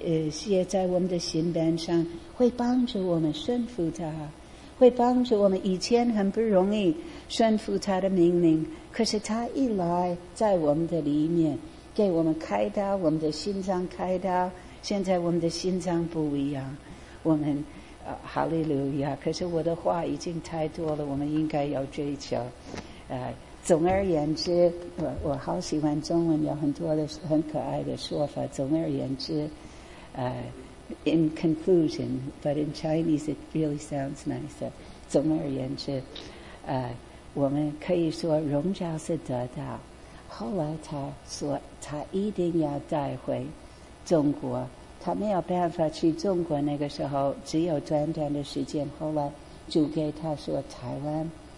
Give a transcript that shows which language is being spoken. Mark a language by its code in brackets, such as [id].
[zh] 写在我们的心板上，会帮助我们顺服他，会帮助我们以前很不容易顺服他的命令，可是他一来在我们的里面给我们开刀，我们的心脏开刀，现在我们的心脏不一样，我们哈利路亚。可是我的话已经太多了，我们应该要追求总而言之，我好喜欢中文，有很多的很可爱的说法。总而言之 [en] in conclusion, but in Chinese it really sounds nicer. [zh] 总而言之我们可以说荣教是得到，后来他说他一定要带回中国，他没有办法去中国，那个时候只有短短的时间，后来主给他说台湾。